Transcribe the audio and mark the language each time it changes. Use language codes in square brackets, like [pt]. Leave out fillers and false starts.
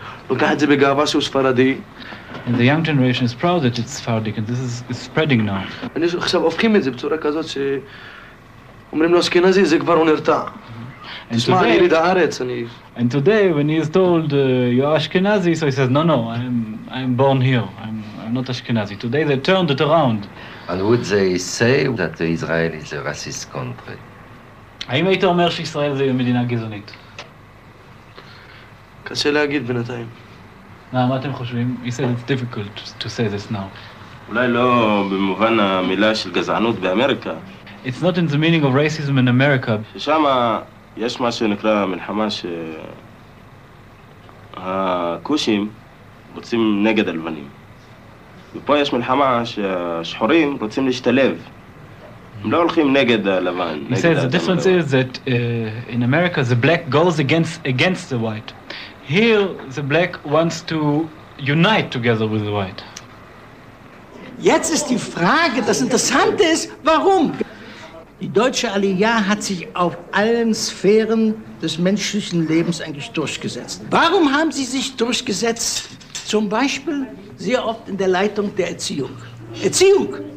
[he] לוקח את זה בגאווה שהוא ספרדי. [en] And the young generation is proud that it's Sephardic and this is spreading now. [he] אני עכשיו הופכים את זה בצורה כזאת ש... אומרים לו אשכנזי, זה כבר הוא נרתע. תשמע, אני יליד הארץ, אני... [en] And today when he is told, you're Ashkenazi, so he says, no, I'm born here. I'm not Ashkenazi. Today they turned it around. And would they say that Israel is a racist country? [he] האם היית אומר שישראל זה מדינה גזענית? קשה להגיד בינתיים. מה אתם חושבים? [en] He said it's difficult to say this now. [he] אולי לא במובן המילה של גזענות באמריקה. [en] It's not in the meaning of racism in America. [he] ששם יש מה שנקרא מלחמה שהקושים רוצים נגד הלבנים. ופה יש מלחמה שהשחורים רוצים להשתלב. הם לא הולכים נגד הלבן. [en] He says the difference is that in America the black goes against the white. Here the black wants to unite together with the white. [de] Jetzt ist die Frage, das Interessante ist, warum? Die deutsche Aliyah hat sich auf allen Sphären des menschlichen Lebens eigentlich durchgesetzt. Warum haben sie sich durchgesetzt? Zum Beispiel sehr oft in der Leitung der Erziehung. Erziehung!